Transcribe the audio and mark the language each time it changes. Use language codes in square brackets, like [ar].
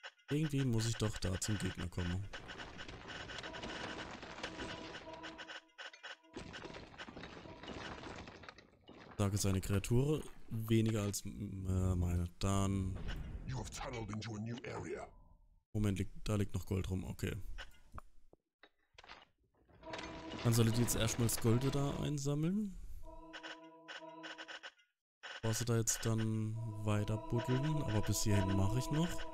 [de] Irgendwie muss ich doch da zum Gegner kommen. Sage seine Kreatur weniger als meine. Dann. [en] You have tunneled into a new area. [de] Moment, da liegt noch Gold rum. Okay. Dann solltet ihr jetzt erstmal das Gold da einsammeln. Was da jetzt dann weiter buddeln. Aber bis hierhin mache ich noch.